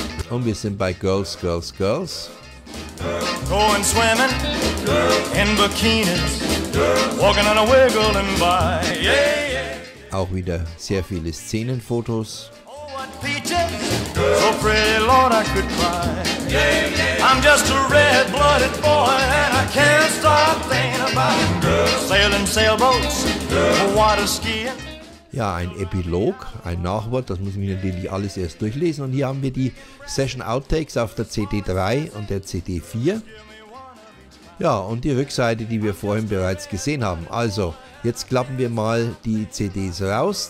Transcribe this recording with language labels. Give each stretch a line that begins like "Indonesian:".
German: Und wir sind bei Girls, Girls, Girls.
English: Going swimming, girl. In bikinis, girl. Walking on a wiggling by, yeah, yeah.
German: Auch wieder sehr viele Szenenfotos.
English: Oh, what peaches, girl. So pretty, Lord, I could cry, yeah, yeah. I'm just a red-blooded boy and I can't stop thinking about it, girl. Sailing sailboats, girl. Water skiing.
German: Ja, ein Epilog, ein Nachwort, das muss ich natürlich alles erst durchlesen. Und hier haben wir die Session Outtakes auf der CD3 und der CD4. Ja, und die Rückseite, die wir vorhin bereits gesehen haben. Also, jetzt klappen wir mal die CDs raus.